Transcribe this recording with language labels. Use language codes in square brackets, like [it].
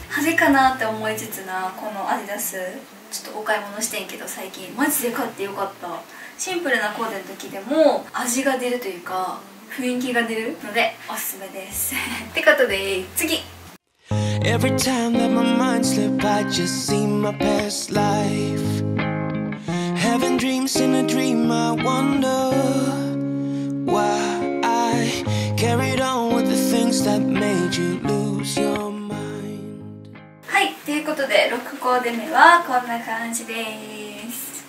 [ja] 派手かなって思いつつな、このアディダスちょっとお買い物してんけど、最近マジで買ってよかった。シンプルなコーデの時でも味が出るというか雰囲気が出るのでおすすめですってことで次、 [en] Every time that my mind slips, I just see my past life. Having dreams in a dream, I wonder why I carried on with the things that made you lose your mind. [ja] はい、ということで6コーデ目はこんな感じです。